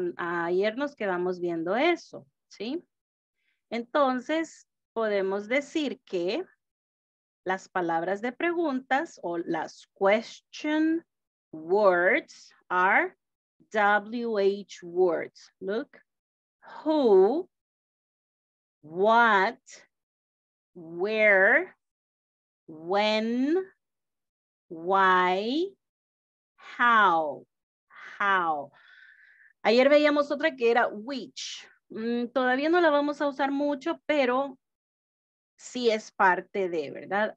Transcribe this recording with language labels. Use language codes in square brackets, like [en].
[es] Ayer nos quedamos viendo eso, ¿sí? Entonces, podemos decir que las palabras de preguntas o las [en] question words are WH words. Look, who, what, where, when, why, how, how. [es] Ayer veíamos otra que era which. Todavía no la vamos a usar mucho, pero sí es parte de, ¿verdad?